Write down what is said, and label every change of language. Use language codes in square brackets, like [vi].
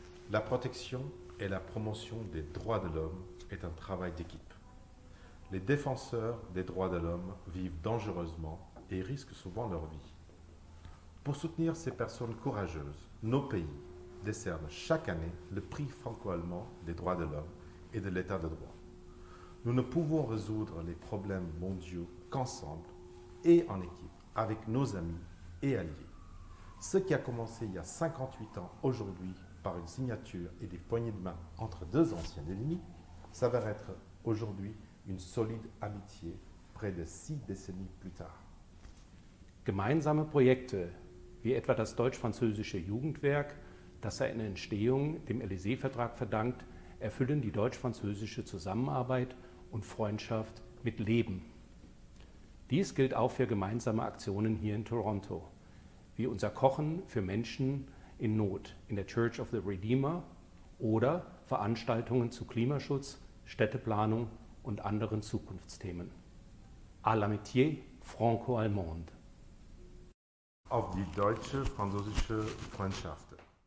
[fr] La protection et la promotion des droits de l'homme est un travail d'équipe. Les défenseurs des droits de l'homme vivent dangereusement et risquent souvent leur vie. Pour soutenir ces personnes courageuses, nos pays décernent chaque année le prix franco-allemand des droits de l'homme et de l'état de droit. Nous ne pouvons résoudre les problèmes mondiaux qu'ensemble et en équipe avec nos amis et alliés. Ce qui a commencé il y a 58 ans aujourd'hui par une signature et des poignées de main entre deux anciens ennemis, s'avère être aujourd'hui une solide amitié près de 6 décennies plus tard. [de] Gemeinsame Projekte, wie etwa das deutsch-französische Jugendwerk, das seine Entstehung dem Élysée-Vertrag verdankt, erfüllen die deutsch-französische Zusammenarbeit und Freundschaft mit Leben. Dies gilt auch für gemeinsame Aktionen hier in Toronto, wie unser Kochen für Menschen in Not in der Church of the Redeemer oder Veranstaltungen zu Klimaschutz, Städteplanung und anderen Zukunftsthemen. [fr] À l'amitié franco-allemande. [de] Auf die deutsche-französische Freundschaft.